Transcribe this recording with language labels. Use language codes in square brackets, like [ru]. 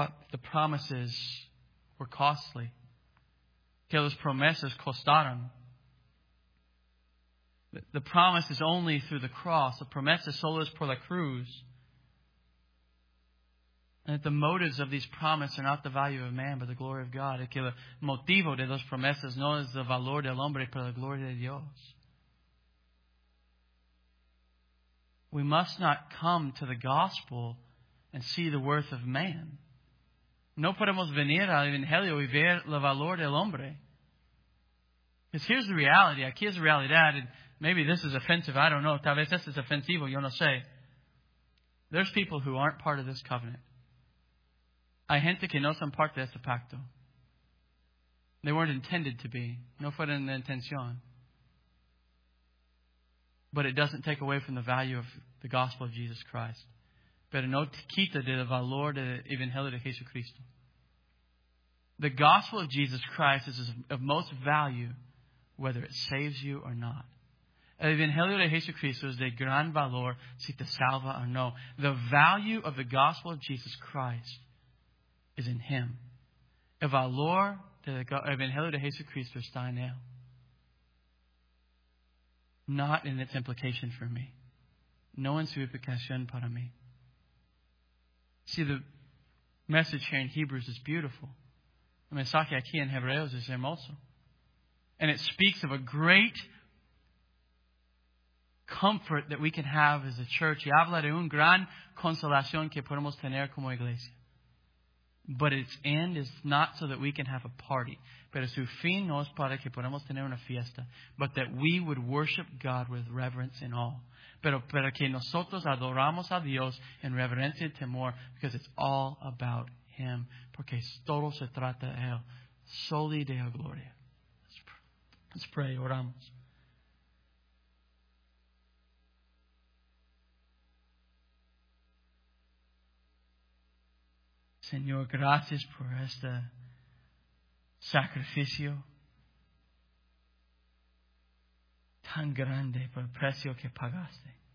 [en] The promises were costly. [es] Que las promesas costaron. [en] The promise is only through the cross. The [es] promesa solo es por la cruz. [en] And that the motives of these promises are not the value of man, but the glory of God. [es] Que el motivo de las promesas no es el valor del hombre, pero la gloria de Dios. [en] We must not come to the gospel and see the worth of man. [es] No podemos venir al Evangelio y ver el valor del hombre. [en] Because here's the reality. [es] Aquí es la realidad. [en] And maybe this is offensive. I don't know. [es] Tal vez esto es ofensivo. Yo no sé. [en] There's people who aren't part of this covenant. [es] Hay gente que no son parte de este pacto. [en] They weren't intended to be. [es] No fueron la intención. [en] But it doesn't take away from the value of the gospel of Jesus Christ. [es] Pero no quita del valor del Evangelio de Jesucristo. [en] The gospel of Jesus Christ is of most value whether it saves you or not. [es] El Evangelio de Jesucristo es de gran valor si te salva o no. [en] The value of the gospel of Jesus Christ is in Him. [es] El valor del Evangelio de Jesucristo está en Él. [en] Not in its implication for me. [es] No en su implicación para mí. [en] See, the message here in Hebrews is beautiful. [es] El mensaje aquí en Hebreos es hermoso. [en] And it speaks of a great comfort that we can have as a church. [es] Y habla de una gran consolación que podemos tener como iglesia. [en] But its end is not so that we can have a party. [es] Pero su fin no es para que podamos tener una fiesta. [en] But that we would worship God with reverence and awe. [es] Pero para que nosotros adoramos a Dios en reverencia y temor. [en] Because it's all about Him. [es] Porque todo se trata de Él. [la] Soli Deo Gloria. [en] Let's pray. [es] Oramos. Señor, gracias por este sacrificio tan grande, por el precio que pagaste.